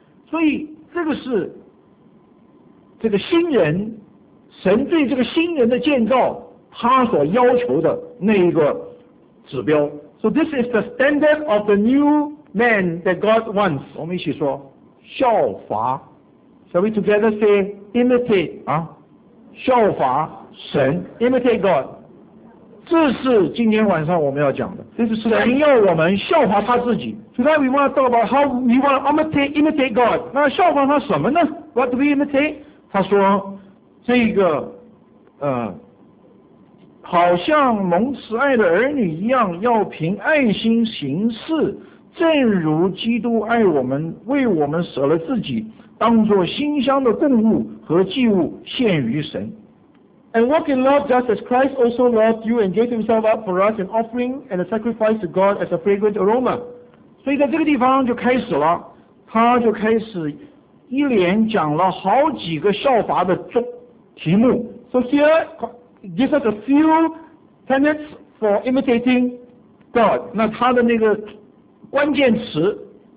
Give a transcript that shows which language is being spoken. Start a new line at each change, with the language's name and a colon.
Chinese: 所以这个是这个新人，神对这个新人的建造，他所要求的那一个指标。
English: So this is the standard of the new man that God wants.
Chinese: 我们一起说，效法。
English: Shall we together say imitate?
Chinese: 啊，效法神。
English: Imitate God.
Chinese: 这是今天晚上我们要讲的。这是神要我们效法他自己。
English: Today we want to talk about how we want to imitate God.
Chinese: 那效法他什么呢？
English: What do we imitate?
Chinese: 他说，这个，好像蒙慈爱的儿女一样，要凭爱心行事，正如基督爱我们，为我们舍了自己，当作馨香的供物和祭物献于神。
English: And walk in love just as Christ also loved you and gave himself up for us an offering and a sacrifice to God as a fragrant aroma.
Chinese: 所以在这个地方就开始了，他就开始一连讲了好几个效法的题目。
English: So here, gives us a few tenets for imitating God.
Chinese: 那他的那个关键词